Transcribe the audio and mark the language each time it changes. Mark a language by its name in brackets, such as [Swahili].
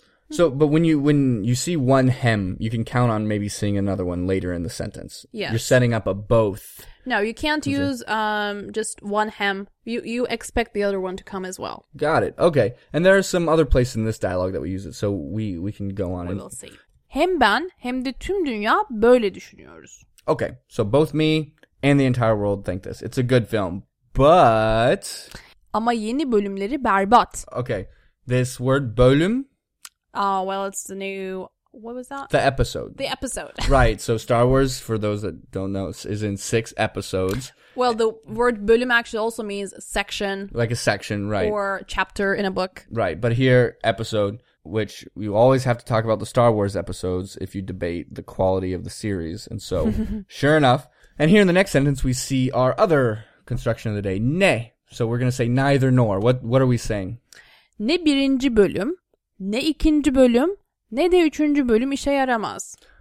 [English] So, but when you see one hem, you can count on maybe seeing another one later in the sentence. Yes. You're setting up a both. No, you can't use just one hem. You expect the other one to come as well. Got it. Okay. And there are some other places in this dialogue that we use it. So we can go on. We will see. [Turkish] Hem ben hem de tüm dünya böyle düşünüyoruz. [English] Okay, so both me and the entire world think this. It's a good film, but... [Turkish] Ama yeni bölümleri berbat. [English] Okay, this word bölüm... Well, it's the new What was that? The episode. The episode. Right. So Star Wars, for those that don't know, is in six episodes. Well, the word bölüm actually also means section. Like a section, right. Or chapter in a book. Right. But here, episode, which you always have to talk about the Star Wars episodes if you debate the quality of the series. And so, sure enough. And here in the next sentence, we see our other construction of the day. Ne. So we're going to say neither nor. What are we saying? [Turkish] Ne birinci bölüm, ne ikinci bölüm, ne de üçüncü bölüm işe yaramaz.